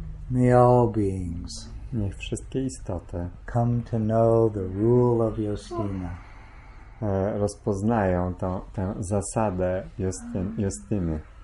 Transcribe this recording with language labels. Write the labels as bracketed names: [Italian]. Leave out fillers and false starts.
[English] May all beings [Polish] niech wszystkie istoty [English] come to know the rule of Justyna. [Polish] Rozpoznają tę zasadę Justyny.